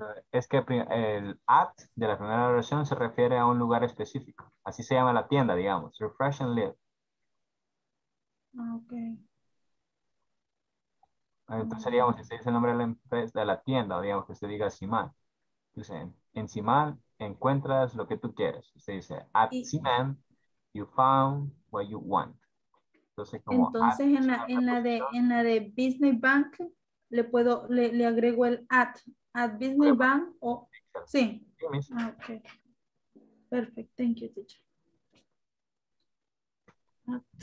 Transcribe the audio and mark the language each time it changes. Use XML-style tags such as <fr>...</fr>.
<es>Es que el add de la primera oración se refiere a un lugar específico. Así se llama la tienda, digamos.</es> <en>Refresh and live. Okay.</en> <es>Entonces seríamos si se dice el nombre de la empresa, de la tienda, digamos que usted diga Simán. Dice, en Simán encuentras lo que tú quieres.</es> <en>Usted dice, at Simán, you found what you want.</en> <es>Entonces, como entonces en la de business bank le puedo le agrego el at business bank o sí.</es> <en>Okay. Perfect. Thank you, teacher. At.</en>